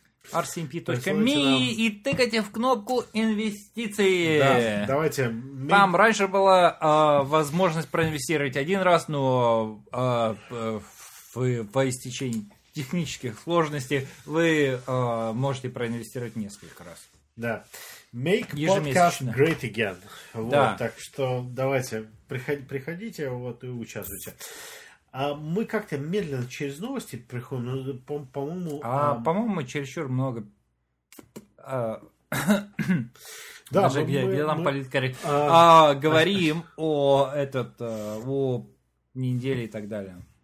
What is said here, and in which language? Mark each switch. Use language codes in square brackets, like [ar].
[ru] rcmp.me и тыкайте в кнопку инвестиции. Да, давайте. Там раньше была возможность проинвестировать один раз, но по истечении технических сложностей вы можете проинвестировать несколько раз. Да. [en] Make podcast great again. [ru] Вот, да. Так что давайте, приходите вот, и участвуйте. А мы как-то медленно через новости приходим, но, по-моему... По-моему, чересчур много... Да, говорим о этот... о неделе и так далее.